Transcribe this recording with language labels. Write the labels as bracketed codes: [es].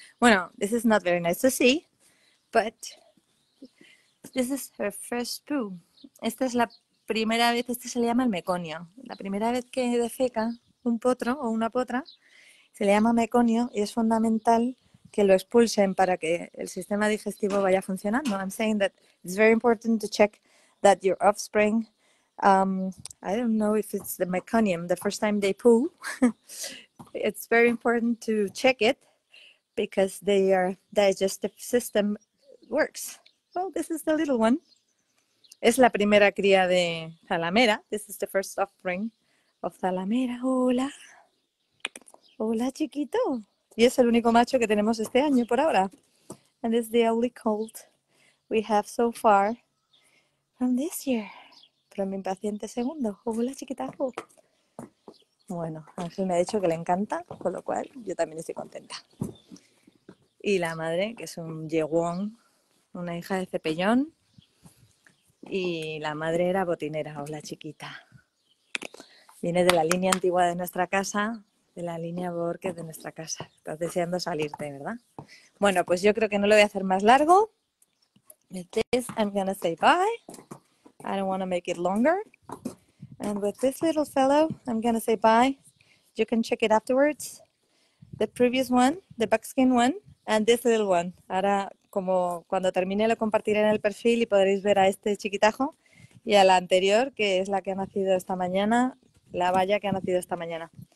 [en] Bueno, this is not very nice to see, but this is her first poo. [es] Esta es la primera vez, este se le llama el meconio. La primera vez que defeca un potro o una potra, se le llama meconio y es fundamental que lo expulsen para que el sistema digestivo vaya funcionando. [en] I'm saying that it's very important to check that your offspring, I don't know if it's the meconium, the first time they poo, it's very important to check it because their digestive system works. Well, this is the little one. [es] Es la primera cría de Zalamera. [en] This is the first offspring of Zalamera. [es] Hola. Hola, chiquito. Y es el único macho que tenemos este año por ahora. [en] And this is the only colt we have so far from this year. From [es] mi paciente segundo. Hola, chiquitajo. Bueno, Ángel me ha dicho que le encanta, con lo cual yo también estoy contenta. Y la madre, que es un yeguón, una hija de cepellón, y la madre era botinera. Hola, chiquita. Viene de la línea antigua de nuestra casa, de la línea Borges de nuestra casa. Estás deseando salirte, ¿verdad? Bueno, pues yo creo que no lo voy a hacer más largo. [en] With this, I'm gonna say bye. I don't want to make it longer. And with this little fellow, I'm gonna say bye. You can check it afterwards. The previous one, the buckskin one, and this little one. [es] Ahora, como cuando termine, lo compartiré en el perfil y podréis ver a este chiquitajo y a la anterior, que es la que ha nacido esta mañana, la valla que ha nacido esta mañana.